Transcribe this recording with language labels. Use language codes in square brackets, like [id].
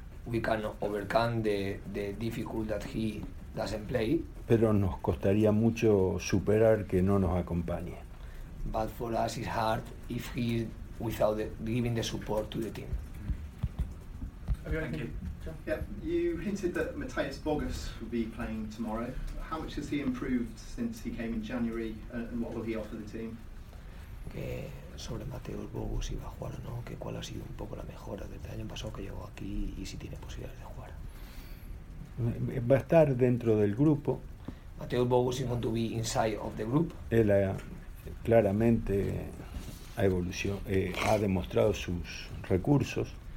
[en] We can overcome the difficulty that he doesn't play. [es] Pero nos costaría mucho superar que no nos acompañe. [en] But for us it's hard if he is without giving the support to the team. Thank you. Yeah, you hinted that Matheus Bogas would be playing tomorrow. How much has he improved since he came in January, and what will he offer the team? [es] Que sobre Matheus Bogas si va a jugar o no, que cuál ha sido un poco la mejora desde el año pasado que llegó aquí y si tiene posibilidades de jugar. Va a estar dentro del grupo. [en] Matheus Bogas is going to be inside of the group. [es] Él claramente ha evolucionado, ha demostrado sus recursos.